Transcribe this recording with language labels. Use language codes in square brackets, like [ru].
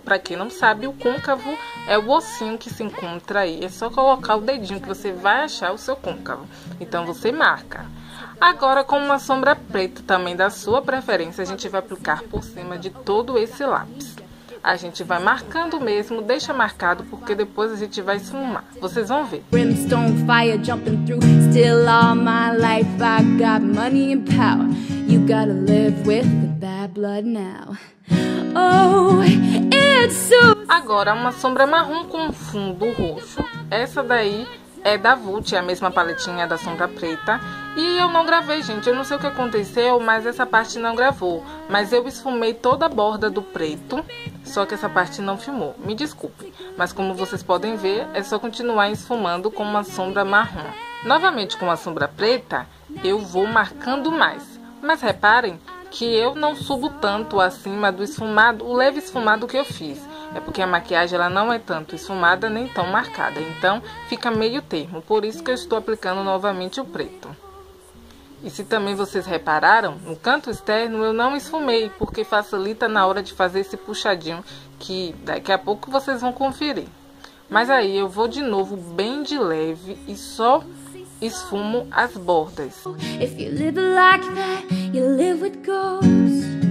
[pt] Para quem não sabe, o côncavo é o ossinho que se encontra aí, é só colocar o dedinho que você vai achar o seu côncavo. Então você marca. Agora, com uma sombra preta também da sua preferência, a gente vai aplicar por cima de todo esse lápis. A gente vai marcando mesmo, deixa marcado, porque depois a gente vai esfumar. Vocês vão ver. [en] Brimstone, fire jumping through, still all my life, I got money and power. You gotta live with the bad blood now. Oh, it's so... [pt] Agora, uma sombra marrom com fundo roxo. Essa daí é da Vult, é a mesma paletinha da sombra preta. E eu não gravei, gente. Eu não sei o que aconteceu, mas essa parte não gravou. Mas eu esfumei toda a borda do preto, só que essa parte não filmou. Me desculpe. Mas como vocês podem ver, é só continuar esfumando com uma sombra marrom. Novamente com a sombra preta, eu vou marcando mais. Mas reparem que eu não subo tanto acima do esfumado, o leve esfumado que eu fiz. É porque a maquiagem ela não é tanto esfumada nem tão marcada. Então fica meio termo. Por isso que eu estou aplicando novamente o preto. E se também vocês repararam, no canto externo eu não esfumei, porque facilita na hora de fazer esse puxadinho, que daqui a pouco vocês vão conferir. Mas aí eu vou de novo bem de leve e só esfumo as bordas. [en] If you live like that, you live with ghosts.